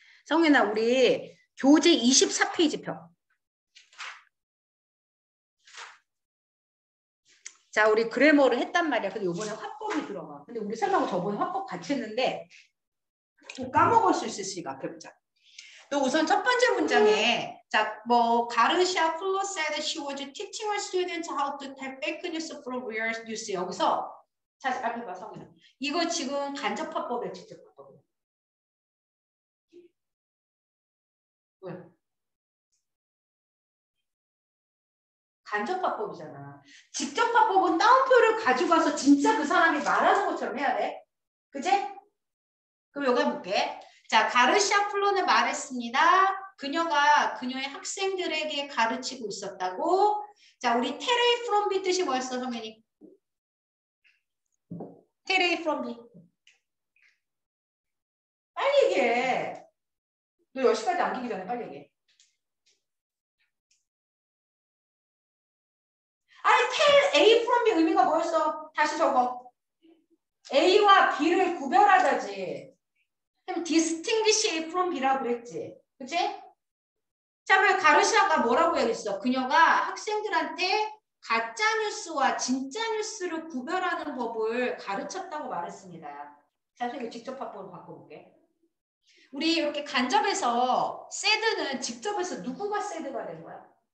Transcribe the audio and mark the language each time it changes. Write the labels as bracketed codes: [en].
[ko] 성윤아, 우리 교재 24페이지 펴. 자, 우리 그래머를 했단 말이야. 근데 요번에 화법이 들어가. 근데 우리 설마 저번에 화법 같이 했는데 또 까먹을 수 있으니까 해보자. 또 우선 첫 번째 문장에, 자, 뭐, [en] 가르시아 플로 said she was teaching her students how to tell fake news from real news. [ko] 여기서, 자, 앞에 봐, 성윤아. 이거 지금 간접 화법에 직접 왜? 간접화법이잖아. 직접화법은 따옴표를 가지고 와서 진짜 그 사람이 말하는 것처럼 해야 돼. 그치? 그럼 여기 해볼게. 자, 가르시아 플론은 말했습니다. 그녀가 그녀의 학생들에게 가르치고 있었다고. 자, 우리 테레이 프롬비 뜻이 뭐였어, 선배님? 테레이 프롬비. 빨리 얘기해. 너 10시까지 안기기 전에 빨리 얘기해. 아니, tell A from B 의미가 뭐였어? 다시 적어. A와 B를 구별하다지. 그럼 distinguish A from B라고 그랬지. 그치? 자, 왜 가르시아가 뭐라고 얘기했어? 그녀가 학생들한테 가짜 뉴스와 진짜 뉴스를 구별하는 법을 가르쳤다고 말했습니다. 자, 그럼 직접 화법으로 바꿔볼게. 우리 이렇게 간접에서 said는 직접에서 누구가 said가 된 거야?